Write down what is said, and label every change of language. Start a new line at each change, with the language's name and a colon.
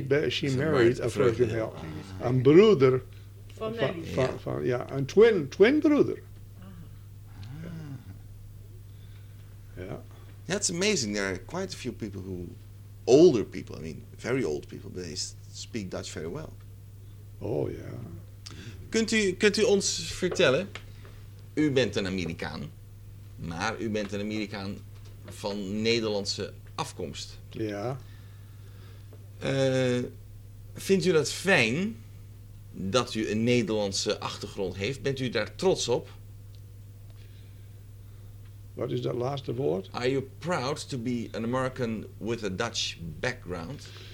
English: She married a Vreugdehiel.
Dutch: Een broeder. Van ja, een twin broeder. Ja.
English: Yeah. That's amazing. There are quite a few people who... Older people, I mean, very old people, but they speak Dutch very well. Oh, ja. Yeah.
Dutch: Kunt u ons vertellen, u bent een Amerikaan, maar u bent een Amerikaan van Nederlandse afkomst. Ja. Yeah. Vindt u dat fijn dat u een Nederlandse achtergrond heeft? Bent u daar trots op?
English: What is that last word? Are you proud to be an American with a Dutch background?